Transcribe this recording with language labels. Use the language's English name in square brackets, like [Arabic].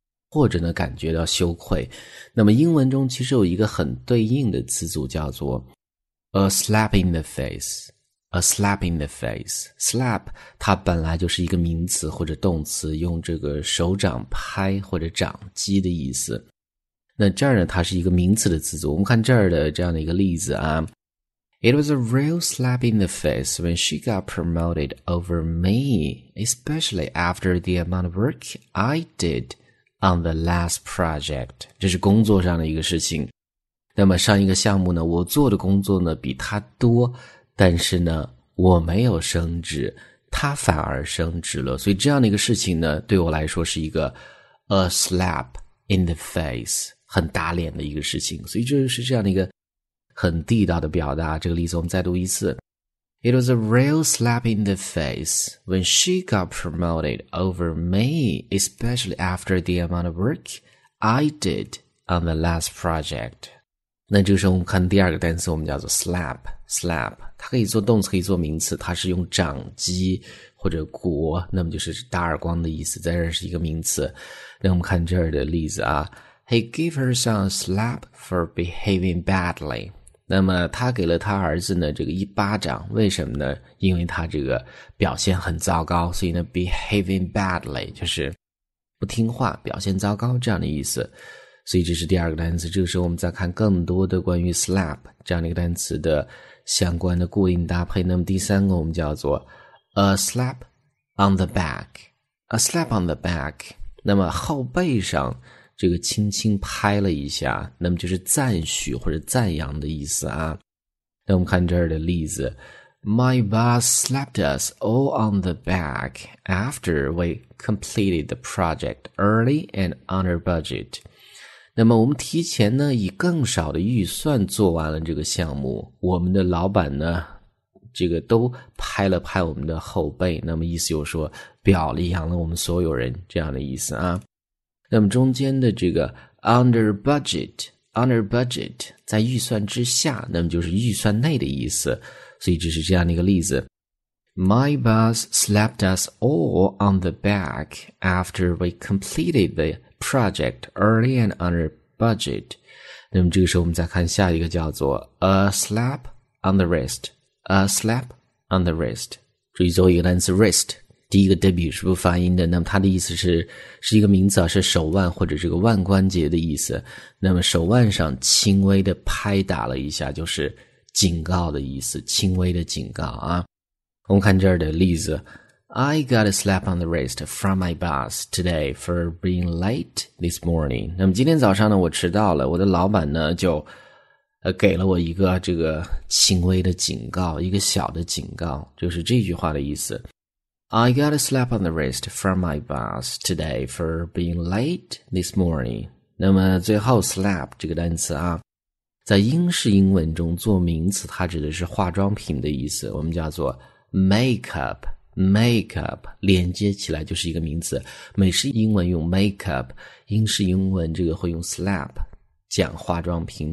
[Chinese] 或者呢，感觉到羞愧。那么英文中其实有一个很对应的词组叫做 [English] a slap in the face, [Chinese] a slap in the face. Slap 它本来就是一个名词或者动词，用这个手掌拍或者掌击的意思。那这儿呢，它是一个名词的词组。我们看这儿的这样的一个例子啊。 [English] It was a real slap in the face when she got promoted over me, especially after the amount of work I did. On the last project, [Chinese] 这是工作上的一个事情。那么上一个项目呢，我做的工作呢比他多，但是呢我没有升职，他反而升职了。所以这样的一个事情呢，对我来说是一个 [English] a slap in the face, [Chinese] 很打脸的一个事情。所以这是这样的一个很地道的表达。这个例子我们再读一次。 [English] It was a real slap in the face when she got promoted over me, especially after the amount of work I did on the last project. [Chinese] 那这个时候我们看第二个单词，我们叫做 slap, slap. 它可以做动词，可以做名词，它是用掌击或者鼓，那么就是打耳光的意思，在这是一个名词。那我们看这儿的例子啊。 [English] He gave her some slap for behaving badly. [Chinese] 那么他给了他儿子呢这个一巴掌，为什么呢？因为他这个表现很糟糕，所以呢 [English] behaving badly [Chinese] 就是不听话，表现糟糕这样的意思。所以这是第二个单词。这个时候我们再看更多的关于 slap 这样的一个单词的相关的固定搭配。那么第三个我们叫做 [English] a slap on the back, [Chinese] a slap on the back, 那么后背上这个轻轻拍了一下，那么就是赞许或者赞扬的意思啊。那我们看这儿的例子。 [English] My boss slapped us all on the back after we completed the project early and under budget. [Chinese] 那么我们提前呢以更少的预算做完了这个项目，我们的老板呢这个都拍了拍我们的后背，那么意思就是说表扬了我们所有人这样的意思啊。那么中间的这个 [English] under budget [Chinese] 在预算之下，那么就是预算内的意思。所以这是这样的一个例子。 [English] My boss slapped us all on the back after we completed the project early and under budget. [Chinese] 那么这个时候我们再看下一个叫做 [English] a slap on the wrist. [Chinese] 注意最后一个单词 wrist。第一个 W 是不发音的，那么它的意思是一个名词啊，是手腕或者这个腕关节的意思。那么手腕上轻微的拍打了一下，就是警告的意思，轻微的警告啊。我们看这儿的例子。 [English] I got a slap on the wrist from my boss today for being late this morning. [Chinese] 那么今天早上呢我迟到了，我的老板呢就给了我一个这个轻微的警告，一个小的警告，就是这句话的意思。 [English] I got a slap on the wrist from my boss today for being late this morning. [Chinese] 那么最后 slap 这个单词啊，在英式英文中做名词，它指的是化妆品的意思，我们叫做 makeup, 连接起来就是一个名词。美式英文用 makeup, 英式英文这个会用 slap, 讲化妆品。